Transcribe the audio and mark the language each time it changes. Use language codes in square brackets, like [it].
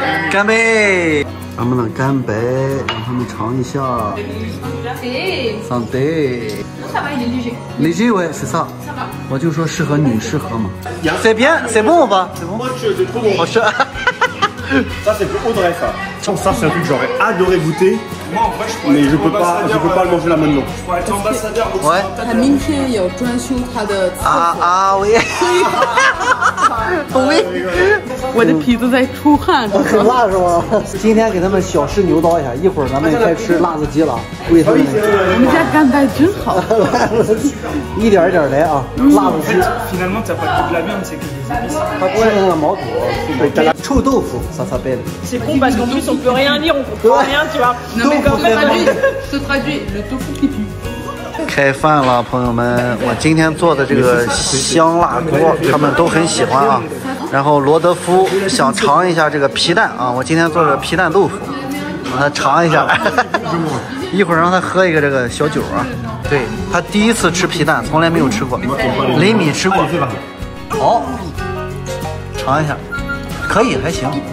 [zh] 干杯，咱们的干杯，让他们尝一下，上杯，你这位是啥？我就说适合女士喝嘛，随便，随便吧，好吃。 [fr] Ça c'est pour Audrey ça. Tiens, ça c'est un truc que j'aurais adoré goûter. Moi en vrai je peux. Mais je peux pas le manger là maintenant. Je pourrais être ambassadeur aussi. Ouais. Ça minche et au transition ça de. Ah ah oui. Oui. [zh] 我的皮都在出汗，很辣是吗？今天给他们小试牛刀一下，一会儿咱们也该吃辣子鸡了。我们家干拌真好，一点一点来啊，辣子鸡。 [fr] finalement t'as pas de la viande c'est que des épices。 [zh] 他吃那个毛肚，臭豆腐，啥啥白的。 [fr] c'est con parce qu'en plus on peut rien lire, on comprend rien, tu vois. non mais comment se traduit le tofu qui pue。 [zh] 开饭了，朋友们，我今天做的这个香辣锅他们都很喜欢啊，然后罗德夫想尝一下这个皮蛋啊，我今天做的皮蛋豆腐让他尝一下，一会儿让他喝一个这个小酒啊，对，他第一次吃皮蛋，从来没有吃过，雷米吃过，好，尝一下，可以，还行，